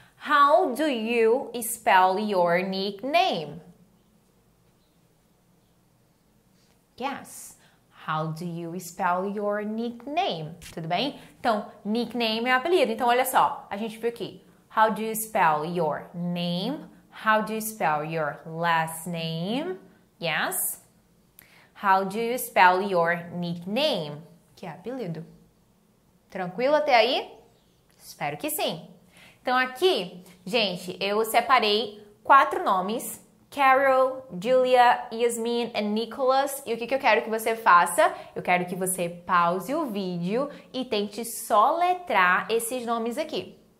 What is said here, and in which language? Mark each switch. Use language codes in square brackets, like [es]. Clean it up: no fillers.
[en] How do you spell your nickname? Yes. How do you spell your nickname? [pt] Tudo bem? Então, nickname é apelido. Então, olha só, a gente viu aqui. [en] How do you spell your name? How do you spell your last name? Yes. How do you spell your nickname? [pt] Que é apelido. Tranquilo até aí? Espero que sim. Então, aqui, gente, eu separei quatro nomes. Carol, Julia, Yasmin e Nicholas. E o que que eu quero que você faça? Eu quero que você pause o vídeo e tente soletrar esses nomes aqui.